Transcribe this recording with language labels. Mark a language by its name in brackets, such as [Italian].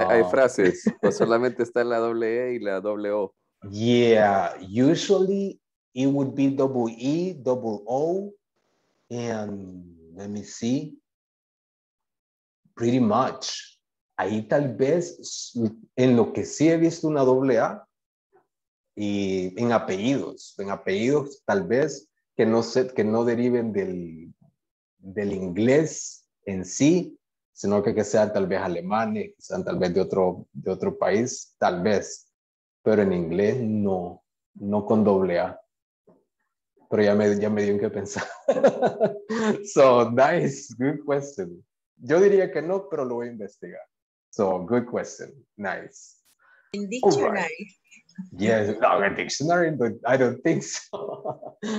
[Spanish] Hay frases, o solamente está la doble E y la doble O. [English] Yeah, usually it would be double E, double O, and let me see, pretty much. [Spanish] Ahí tal vez, en lo que sí he visto una doble A, y en apellidos tal vez, que no, sé, que no deriven del inglés en sí, sino que sean tal vez alemanes, sean tal vez de otro país, tal vez. Pero en inglés no, no con doble A. Pero ya me dio en qué pensar. [English] So, nice, good question. [Spanish] Yo diría que no, pero lo voy a investigar. [English] So, good question, nice. In dictionary. Right. Yes, no, in dictionary, but I don't think so.